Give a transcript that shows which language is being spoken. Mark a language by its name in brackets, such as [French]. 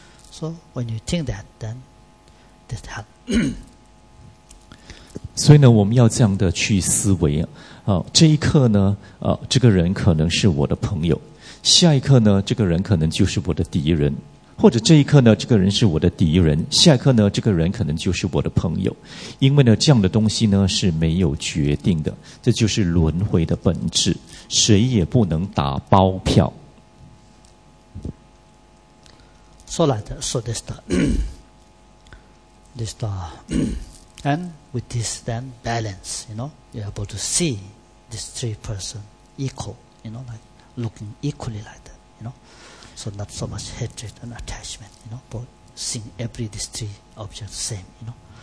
[English] So when you think that, then this helps. [Chinese] 所以呢，我们要这样的去思维啊。这一刻呢，这个人可能是我的朋友；下一刻呢，这个人可能就是我的敌人。或者这一刻呢，这个人是我的敌人；下一刻呢，这个人可能就是我的朋友。因为呢，这样的东西呢是没有决定的，这就是轮回的本质，谁也不能打包票。 [English] So like that, so this the, and with this then balance, you know, you're able to see these three person equal, you know, like looking equally like that, you know. you know, so not so much hatred and attachment, you know, but seeing every these three objects same, you know.